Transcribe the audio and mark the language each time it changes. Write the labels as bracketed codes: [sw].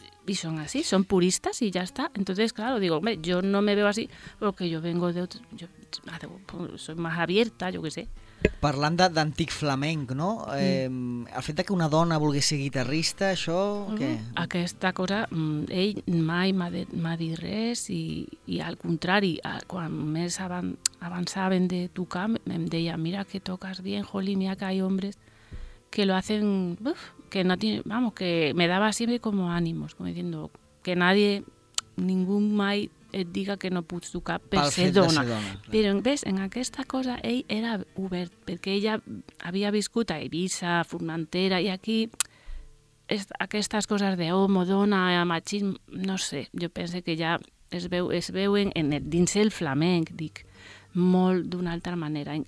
[ca] I són així, són puristes i ja està. [es] Entonces, claro, digo, hombre, yo no me veo así porque yo vengo de otro... Yo soy más abierta, yo qué sé. [ca] Parlant d'antic flamenc, no? El fet que una dona volgués ser guitarrista, això... Què? Aquesta cosa, ell mai m'ha dit res i al contrari, quan més avançaven de tocar, em deia, mira que toques [es] bien, jolín, mira que hay hombres. que lo hacen, uf, que no tiene, vamos, que me daba siempre como ánimos, como diciendo que nadie, ningún [ca] mai diga que no puc tocar per ser dona. Però, ves, en aquesta cosa ell era obert, perquè ella havia viscut a Eivissa, a Formentera, i aquí aquestes coses de homo, dona, machisme, no sé, jo penso que ja es veuen dins el flamenc, dic, molt d'una altra manera.